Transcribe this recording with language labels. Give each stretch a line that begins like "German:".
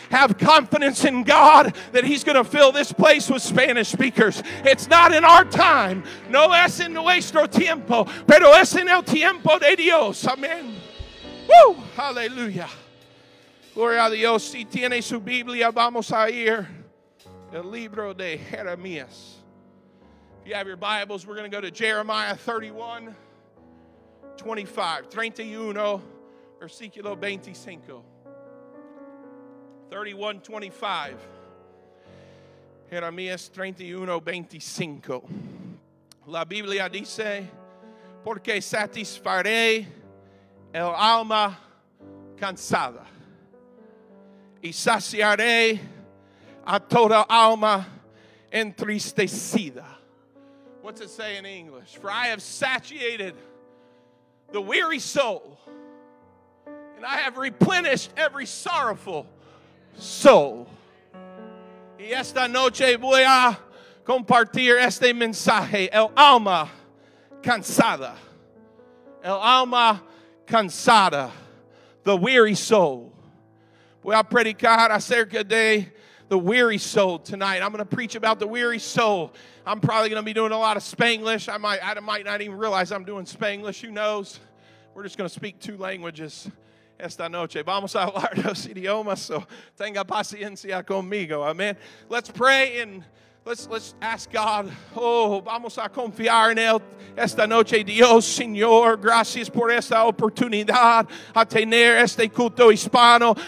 English: Have confidence in God that He's going to fill this place with Spanish speakers. It's not in our time.
Spanish: No es en nuestro tiempo, pero es en el tiempo de Dios. Amén. Woo! Hallelujah. Gloria a Dios. Si tiene su Biblia, vamos a ir el libro de Jeremías.
English: If you have your Bibles, we're going to go to Jeremiah 31, 25.
Spanish: 31, versículo 25. 31, 25. Jeremías 31, 25. La Biblia dice, porque satisfaré el alma cansada y saciaré a toda alma entristecida.
English: What's it say in English? For I have satiated the weary soul, and I have replenished every sorrowful soul.
Spanish: Y esta noche voy a compartir este mensaje. El alma cansada. El alma cansada.
English: The weary soul.
Spanish: Voy a predicar acerca de
English: the weary soul tonight. I'm going to preach about the weary soul. I'm probably going to be doing a lot of Spanglish. I might not even realize I'm doing Spanglish. Who knows? We're just going to speak two languages
Spanish: esta noche. Vamos a hablar dos idiomas, so tenga paciencia conmigo. Amen.
English: Let's pray and let's ask God.
Spanish: Oh, vamos a confiar en él esta noche. Dios, Señor, gracias por esta oportunidad a tener este culto hispano.